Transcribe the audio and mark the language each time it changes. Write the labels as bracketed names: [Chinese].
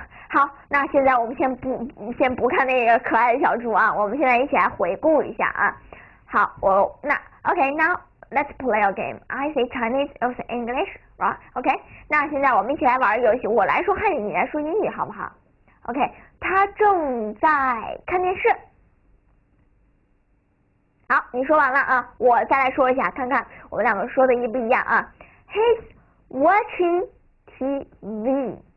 [Chinese] 好，那现在我们先不看那个可爱的小猪啊，我们现在一起来回顾一下啊。 [English] 好，now let's play a game. I say Chinese, you say English, right? [Chinese] Okay, 那现在我们一起来玩游戏，我来说汉语，你来说英语，好不好？ Okay，他正在看电视。好，你说完了啊，我再来说一下，看看我们两个说的一不一样啊。 [English] He's watching TV.